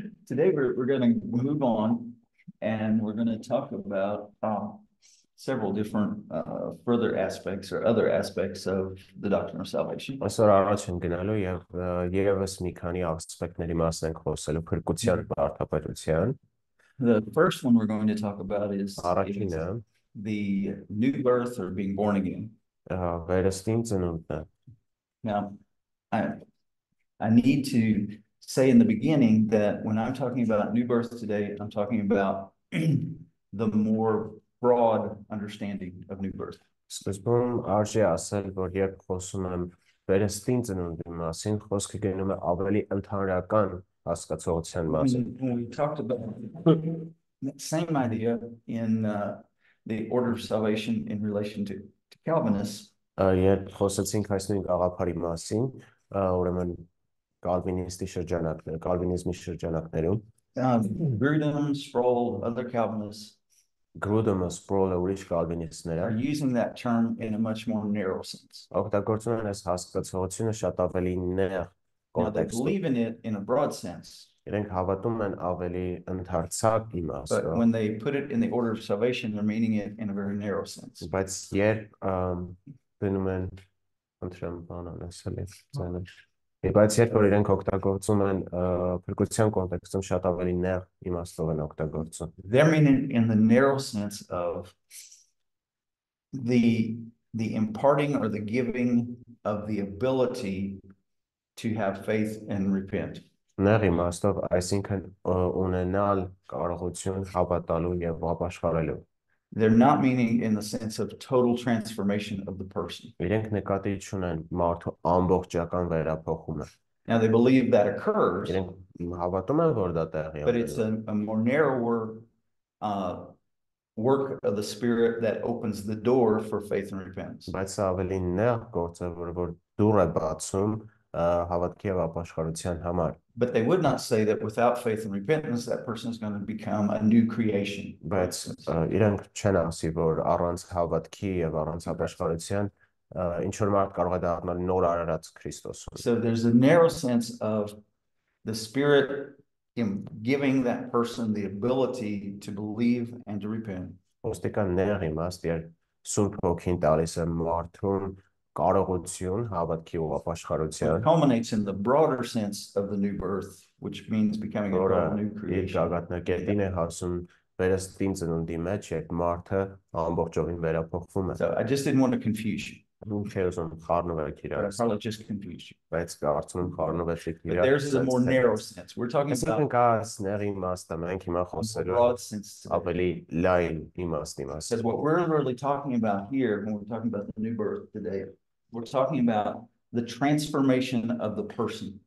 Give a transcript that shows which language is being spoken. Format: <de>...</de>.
<en>Today we're going to move on, and we're going to talk about several different further aspects or other aspects of the doctrine of salvation.</en> <hy>Այսօր առաջ են գնալու եւ եւս մի քանի ասպեկտների մասն են խոսելու փրկության բարթապետության.</hy> <en>The first one we're going to talk about is</en> <hy>առաջինը</hy> <en>the new birth or being born again.</en> <hy>Վերստին ծնունդը.</hy> <en>Now, I need to say in the beginning that when I'm talking about new birth today, I'm talking about the more broad understanding of new birth.</en> <hy>Սկզբում արժե ասել, որ երբ խոսում եմ վերստին ծնունդի մասին, խոսքը գնում է ավելի ընդհանրական հասկացողության մասին.</hy> <en>We talked about the same idea in the order of salvation in relation to Calvinists.</en> <hy>Երբ խոսեցինք այս նույն գաղափարի մասին, ուրեմն կալվինիստի շրջանակներ, կալվինիզմի շրջանակներում,</hy> <en>Grudem, Sproul, other Calvinists,</en> <hy>Grudem, Sproul, ուրիշ կալվինիստները</hy> <en>are using that term in a much more narrow sense.</en> <hy>Օգտագործում են այս հասկացողությունը շատ ավելի նեղ կոնտեքստում.</hy> <en>They believe in it in a broad sense.</en> <hy>Իրենք հավատում են ավելի ընդարձակ իմաստով.</hy> <en>But when they put it in the order of salvation, they're meaning it in a very narrow sense.</en> <hy>Բայց երբ գնում են, ընդրեմ բան անասել է ցանը, բայց երբ որ իրենք օգտագործում են փրկության կոնտեքստում, շատ ավելի նեղ իմաստով են օգտագործում.</hy> <en>They're meaning in the narrow sense of the imparting or the giving of the ability to have faith and repent.</en> <hy>Նեղ իմաստով, այսինքն ունենալ կարողություն հավատալու եւ ապաշխարելու.</hy> <en>They're not meaning in the sense of total transformation of the person.</en> <hy>Իրենք նկատի ունեն մարդու ամբողջական վերափոխումը.</hy> <en>Now they believe that occurs.</en> <hy>Իրենք հավատում են, որ դա տեղի ունի.</hy> <en>But it's a more narrower work of the spirit that opens the door for faith and repentance.</en> <hy>Բայց ավելի նեղ գործը, որ դուր է բացում հավատքի եւ ապաշխարության համար.</hy> <en>But they would not say that without faith and repentance that person is going to become a new creation.</en> <hy>Բայց իրենք չեն ասի, որ առանց հավատքի եւ առանց ապաշխարության ինչ որ մարդ կարող է դառնալ նոր արարած Քրիստոսում.</hy> <en>So there's a narrow sense of the spirit in giving that person the ability to believe and to repent.</en> <hy>Ոստիկան նեղ իմաստ, երբ Սուրբ Հոգին տալիս է մարդուն կարողություն հավատքի ու ապաշխարության,</hy> <en>culminates in the broader sense of the new birth, which means becoming a brand new creation.</en> <hy>Որը ժագատնակետին է հասում վերստին ծնունդի մեջ, երբ մարդը ամբողջովին վերափոխվում է.</hy> <en>So I just didn't want to confuse you. probably just confused you. But theirs is a more narrow sense. We're talking about a broad sense today. Because what we're really talking about here, when we're talking about the new birth today, we're talking about the transformation of the person.</en>